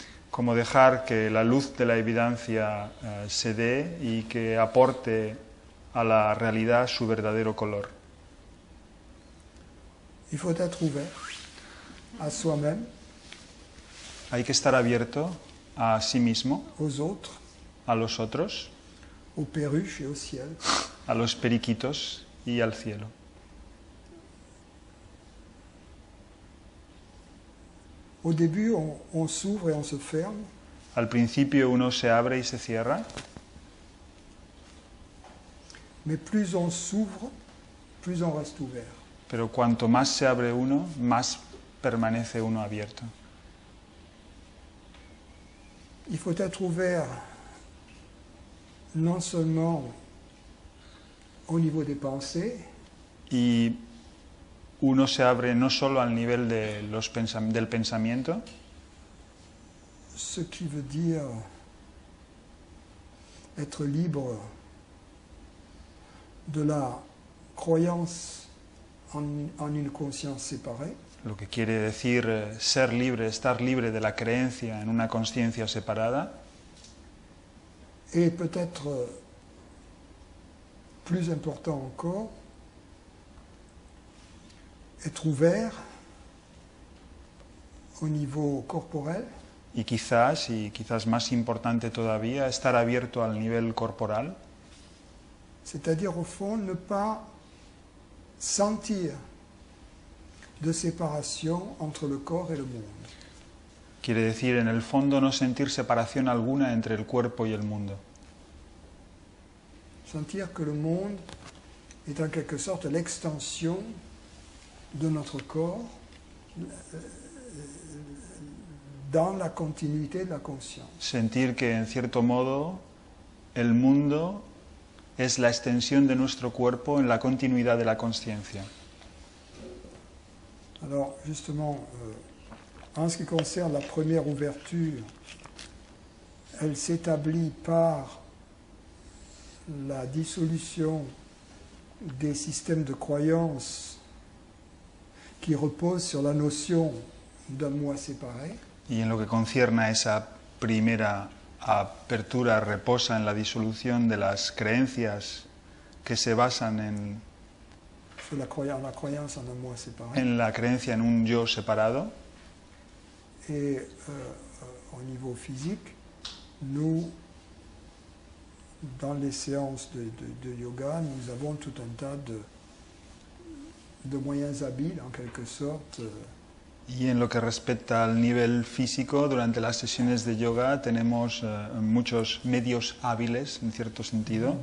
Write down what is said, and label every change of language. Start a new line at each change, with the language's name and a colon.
Spanish: Cómo dejar que la luz de la evidencia se dé y que aporte a la realidad su verdadero color.
French: Il faut être ouvert à soi-même.
Spanish: Hay que estar abierto a sí mismo.
French: Aux autres.
Spanish: A los otros,
French: aux perruches et au ciel.
Spanish: A los periquitos y al cielo.
French: Au début, on s'ouvre et on se ferme.
Spanish: Al principio uno se abre y se cierra.
French: Mais plus on s'ouvre, plus on reste ouvert.
Spanish: Pero cuanto más se abre uno, más permanece uno abierto.
French: Il faut être ouvert. Non seulement au niveau des pensées.
Spanish: Y uno se abre no solo al nivel de los del pensamiento.
French: Ce qui veut dire être libre de la croyance en une conscience séparée.
Spanish: Lo que quiere decir ser libre, estar libre de la creencia en una conciencia separada.
French: Et peut-être plus important encore, être ouvert au niveau corporel.
Spanish: Y quizás, más importante todavía, estar abierto al nivel corporal.
French: C'est-à-dire au fond, ne pas sentir de séparation entre le corps et le monde.
Spanish: Quiere decir, en el fondo, no sentir separación alguna entre el cuerpo y el mundo.
French: Sentir que le monde est en quelque sorte l'extension de notre corps dans la continuité de la conscience.
Spanish: Sentir que, en cierto modo, el mundo es la extensión de nuestro cuerpo en la continuidad de la conciencia.
French: Alors, justement, en ce qui concerne la première ouverture, elle s'établit par la dissolution des systèmes de croyances qui reposent sur la notion d'un moi séparé.
Spanish: Y en lo que concierne a esa primera apertura reposa en la disolución de las creencias que se basan en
French: la croyance en un moi séparé.
Spanish: En la creencia en un yo separado.
French: Et au niveau physique, nous dans les séances de yoga, nous avons tout un tas de moyens habiles, en quelque sorte.
Spanish: Y en lo que respecta al nivel físico, durante las sesiones de yoga tenemos muchos medios hábiles, en cierto sentido.